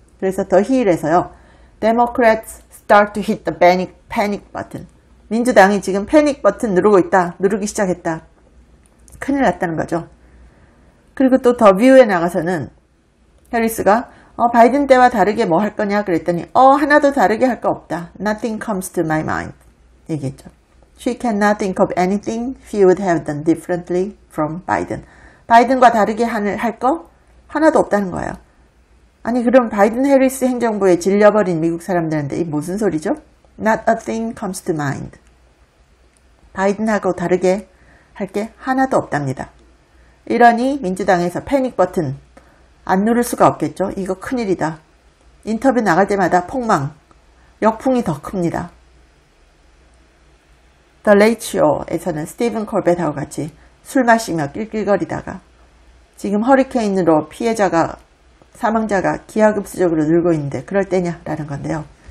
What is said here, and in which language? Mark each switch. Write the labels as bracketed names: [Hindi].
[Korean] 그래서 더 힐에서요. [English] Democrats start to hit the panic button. [Korean] 민주당이 지금 패닉 버튼 누르고 있다. 누르기 시작했다. 큰일 났다는 거죠. 그리고 또더 뷰에 나가서는 해리스가 바이든 때와 다르게 뭐할 거냐 그랬더니 하나도 다르게 할거 없다. [English] Nothing comes to my mind. [Korean] 얘기했죠. [English] She cannot think of anything he would have done differently from Biden. [Korean] 바이든과 다르게 할거 하나도 없다는 거예요. 아니, 그럼 바이든 해리스 행정부에 질려버린 미국 사람들한테 이게 무슨 소리죠? [English] Not a thing comes to mind. [Korean] 바이든하고 다르게 할게 하나도 없답니다. 이러니 민주당에서 패닉 버튼 안 누를 수가 없겠죠? 이거 큰일이다. 인터뷰 나갈 때마다 폭망. 역풍이 더 큽니다. The Late Show에서는 스티븐 콜벳하고 같이 술 마시며 낄낄거리다가 지금 허리케인으로 피해자가 사망자가 기하급수적으로 늘고 있는데 그럴 때냐라는 건데요.